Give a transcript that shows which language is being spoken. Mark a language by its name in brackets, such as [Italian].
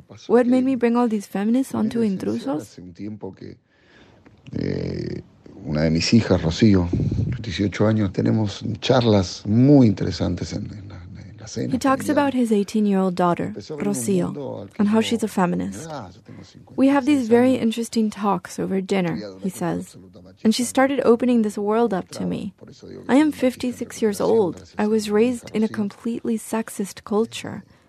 [English] What made me bring all these feminists onto Intrusos? [Spanish] Una de mis hijas, Rocío, 18 años, tenemos charlas muy interesantes en la cena. [English] He talks about his 18-year-old daughter, Rocío, and how she's a feminist. We have these very interesting talks over dinner, he says, and she started opening this world up to me. I am 56 years old. I was raised in a completely sexist culture.